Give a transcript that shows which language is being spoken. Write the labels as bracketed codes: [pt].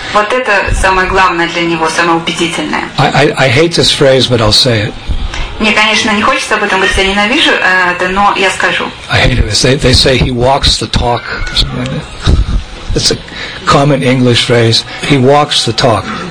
[ru] Вот это самое главное для него, самое убедительное. [en] I hate this phrase, but I'll say it. [ru] Мне, конечно, не хочется об этом говорить, я ненавижу это, но я скажу. [en] I hate it. They say he walks the talk. It's a common English phrase. He walks the talk.